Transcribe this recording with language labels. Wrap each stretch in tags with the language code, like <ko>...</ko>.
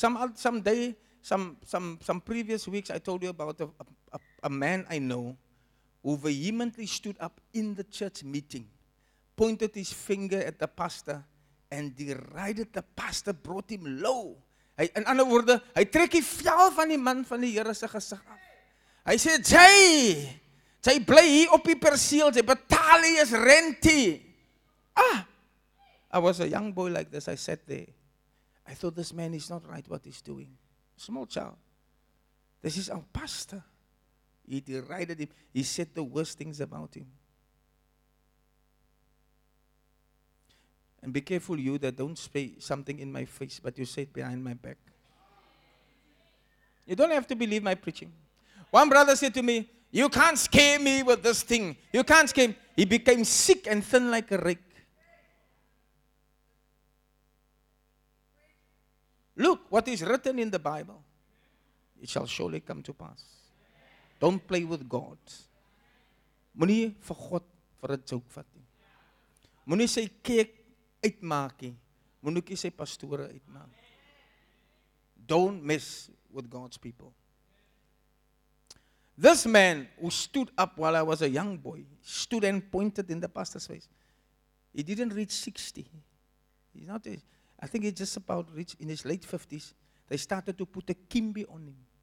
<en>Some previous weeks I told you about a man I know who vehemently stood up in the church meeting, pointed his finger at the pastor, and derided the pastor, brought him low.</en> <af>Hy, in ander woorde, hy trek die vel van die man van die Here se gesig af. Hy sê, jy bly hier op die perseel, jy betaal hier is rentie. Ah!</af> <en>I was a young boy like this, I sat there. I thought this man is not right what he's doing. Small child. This is our pastor. He derided him. He said the worst things about him. And be careful, you, that don't say something in my face, but you say it behind my back. You don't have to believe my preaching. One brother said to me, "You can't scare me with this thing. You can't scare me." He became sick and thin like a rake. Look what is written in the Bible. It shall surely come to pass. Don't play with God.</en> <af>Moenie vir God vir 'n joke vat nie. Moenie sy kerk uitmaak nie. Moenie sy pastore uitmaak.</af> <en>Don't mess with God's people. This man who stood up while I was a young boy, stood and pointed in the pastor's face. He didn't reach 60. He's not. I think he's just about reached in his late 50s. They started to put a kimbi on him.</en>